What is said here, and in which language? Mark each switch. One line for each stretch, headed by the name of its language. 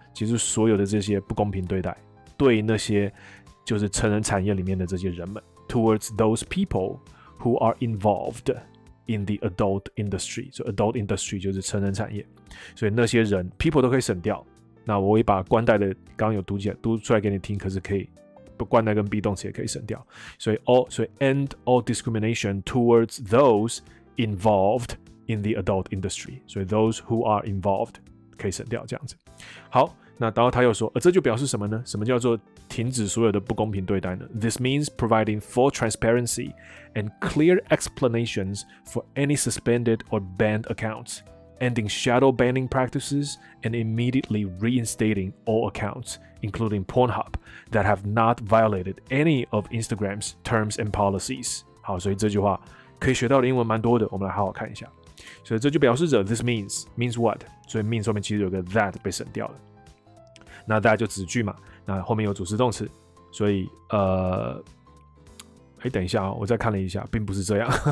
Chinese: 结束所有的这些不公平对待，对那些就是成人产业里面的这些人们 ，
English: towards those people who are involved。 In the adult industry，
Chinese: 所、so、以 adult industry 就是成人产业，所以那些人 people 都可以省掉。那我也把关带的刚刚有读起来读出来给你听，可是可以不关带跟 be 动词也可以省掉。
English: 所以 end all discrimination towards those involved in the adult industry， 所以 those who are involved
Chinese: 可以省掉这样子。好，那然后他又说，这就表示什么呢？什么叫做停止所有的不公平对待呢
English: ？This means providing full transparency and clear explanations for any suspended or banned accounts, ending shadow banning practices, and immediately reinstating all accounts, including Pornhub, that have not violated any of Instagram's terms and policies.
Chinese: 好，所以这句话可以学到的英文蛮多的，我们来好好看一下。所以这就表示着
English: this means what？
Chinese: 所以 means 后面其实有个 that 被省掉了。那大家就子句嘛，那后面有主词动词，所以哎、欸，等一下、哦、我再看了一下，并不是这样。